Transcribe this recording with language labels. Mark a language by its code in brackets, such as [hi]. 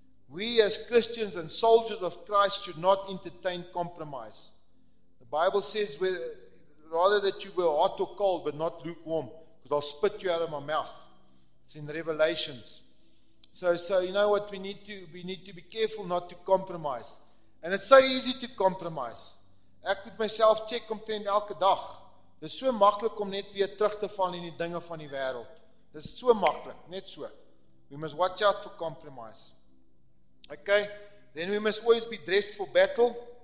[en] We as Christians and soldiers of Christ should not entertain compromise. The Bible says, rather that you were hot or cold, but not lukewarm, because I'll spit you out of my mouth. It's in Revelations. So you know what? We need to be careful not to compromise. And it's so easy to compromise. [af] Ek moet myself check omtrent elke dag. Dit is so maklik om net weer terug te val in die dinge van die wêreld. Dit is so maklik, net so. [en] We must watch out for compromise. Okay, then we must always be dressed for battle.